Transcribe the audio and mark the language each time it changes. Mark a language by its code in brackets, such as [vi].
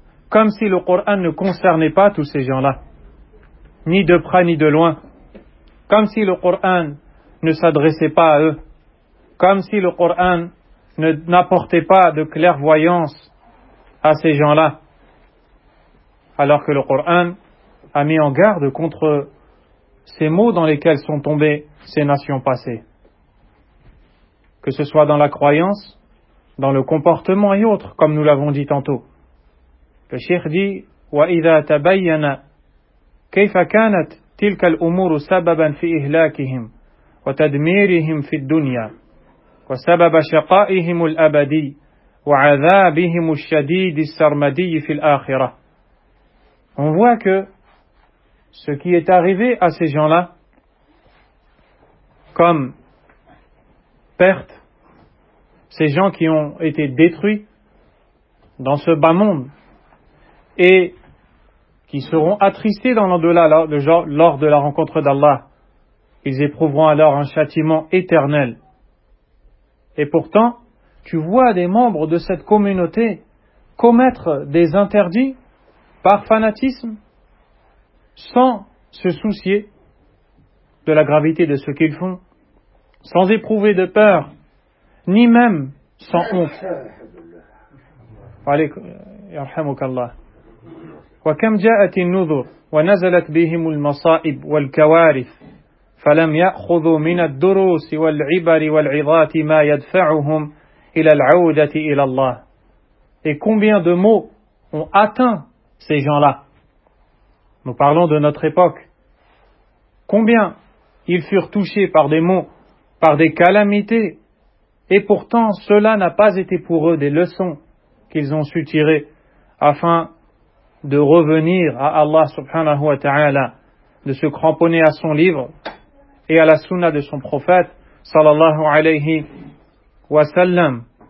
[fr] comme si le Coran ne concernait pas tous ces gens-là, ni de près ni de loin, comme si le Coran ne s'adressait pas à eux, comme si le Coran n'apportait pas de clairvoyance à ces gens-là, alors que le Coran a mis en garde contre ces maux dans lesquels sont tombées ces nations passées, que ce soit dans la croyance, dans le comportement et autres, comme nous l'avons dit tantôt. Le Cheikh dit [ar] وَإِذَا تَبَيَّنَ كَيْفَ كَانَتْ تِلْكَ الْأُمُورُ سَبَبًا فِي إِهْلَاكِهِمْ وَتَدْمِيرِهِمْ فِي الدُّنْيَا وسبب شقائهم الأبدي وعذابهم الشديد السرمدي في الآخرة. [fr] On voit que ce qui est arrivé à ces gens-là comme perte, ces gens qui ont été détruits dans ce bas monde et qui seront attristés dans l'au-delà lors de la rencontre d'Allah, ils éprouveront alors un châtiment éternel. Et pourtant, tu vois des membres de cette communauté commettre des interdits par fanatisme, sans se soucier de la gravité de ce qu'ils font, sans éprouver de peur, ni même sans honte. [ar] عليك يرحمك الله وكم جاءت النذر ونزلت بهم المصائب والكوارث فلم يأخذوا من الدروس والعبر والعظات ما يدفعهم إلى العودة إلى الله. [fr] Et combien de maux ont atteint ces gens-là? Nous parlons de notre époque. Combien ils furent touchés par des maux, par des calamités, et pourtant cela n'a pas été pour eux des leçons qu'ils ont su tirer afin de revenir à Allah subhanahu wa ta'ala, de se cramponner à son livre et à la sunna de son prophète sallallahu alayhi wa sallam.